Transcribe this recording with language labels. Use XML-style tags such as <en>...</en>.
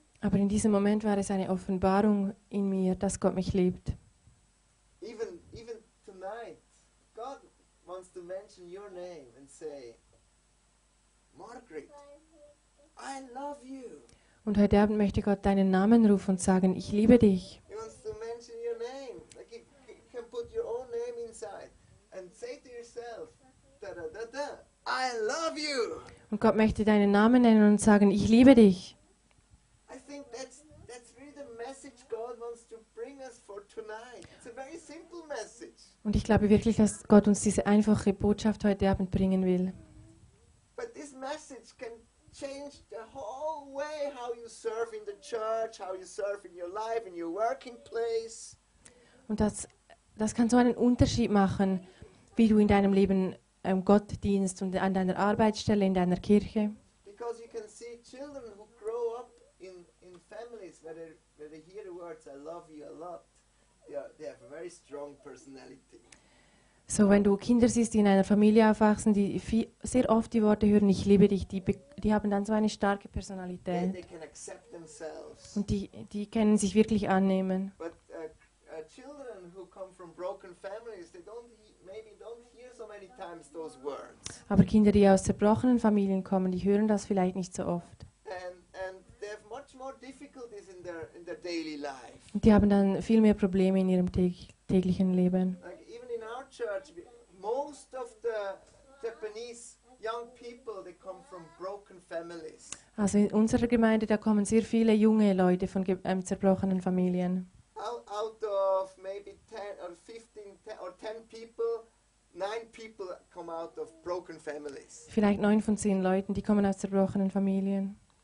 <de>Aber in diesem Moment war es eine Offenbarung in mir, dass Gott mich liebt.</de> <en>Even tonight, God wants to mention your name and say, Margaret, I love you.</en> <de>Und heute Abend möchte Gott deinen Namen rufen und sagen, ich liebe dich.</de> <en>He wants to mention your name. Like you can put your own name inside and say to yourself, da da da da. I love you.</en> <de>Und Gott möchte deinen Namen nennen und sagen, ich liebe dich.</de> <en>I think that's really the message God wants to bring us for tonight. It's a very simple message.</en> <de>Und ich glaube wirklich, dass Gott uns diese einfache Botschaft heute Abend bringen will.</de> <en>But this message can changed the whole way how you serve in the church, how you serve in your life, in your working place.</en> <de>Und das kann so einen Unterschied machen, wie du in deinem Leben Gott dienst und an deiner Arbeitsstelle, in deiner Kirche.</de> <en>Because you can see children who grow up in families where they hear the words, I love you a lot. They have a very strong personality.</en> <de>So, wenn du Kinder siehst, die in einer Familie aufwachsen, die sehr oft die Worte hören, ich liebe dich, die haben dann so eine starke Personalität.</de> <en>They can accept themselves.</en> <de>Und die können sich wirklich annehmen.</de> <en>But children who come from broken families, they maybe don't hear so many times those words.</en> <de>Aber Kinder, die aus zerbrochenen Familien kommen, die hören das vielleicht nicht so oft.</de> <en>And they have much more difficulties in their daily life.</en> <de>Und die haben dann viel mehr Probleme in ihrem täglichen Leben.</de> <en>Church, most of the Japanese young people, they come from broken families.</en> <de>Also in unserer Gemeinde, da kommen sehr viele junge Leute von zerbrochenen Familien.</de> <en>Out of maybe 10 or 15 or 10 people, 9 people come out of broken families.</en> <de>Vielleicht 9 von 10 Leuten, die kommen aus zerbrochenen Familien.</de>